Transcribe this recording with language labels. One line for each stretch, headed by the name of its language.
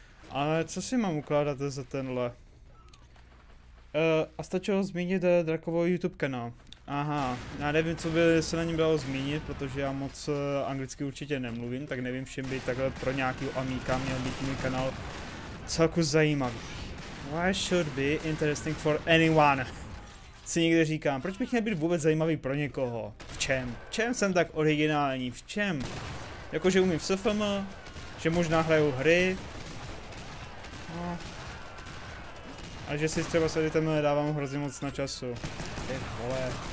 Czech: Ale co si mám ukládat za tenhle? A stačilo zmínit Drakovo YouTube kanál. Aha, já nevím, co by se na něm dalo zmínit, protože já moc anglicky určitě nemluvím, tak nevím, všem by takhle pro nějakýho Amíka měl být můj kanál celku zajímavý.
English: Why should be interesting for anyone?
Czech: Si někde říkám, proč bych měl být vůbec zajímavý pro někoho? V čem? V čem jsem tak originální? V čem? Jakože umím v SFM, že možná hraju hry. No. A že si třeba se tam dávám hrozně moc na času. Vole.